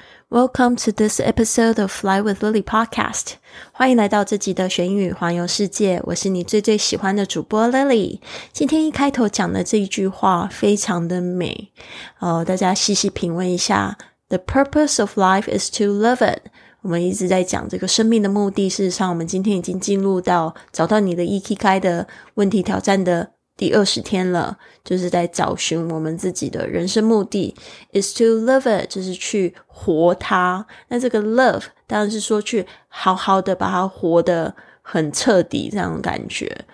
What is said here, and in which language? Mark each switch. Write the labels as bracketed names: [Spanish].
[English] Welcome to this episode of Fly with Lily podcast. [Chinese] 欢迎来到这集的学英语环游世界，我是你最最喜欢的主播 Lily。今天一开头讲的这一句话非常的美，大家细细品味一下。 [English] The purpose of life is to live it. [Chinese] 我们一直在讲这个生命的目的，事实上我们今天已经进入到找到你的 Ikigai 的问题挑战的第20天了，就是在找寻我们自己的人生目的。 [English] is to live it， [Chinese] 就是去活它。那这个 love 当然是说去好好的把它活得很彻底，这样的感觉。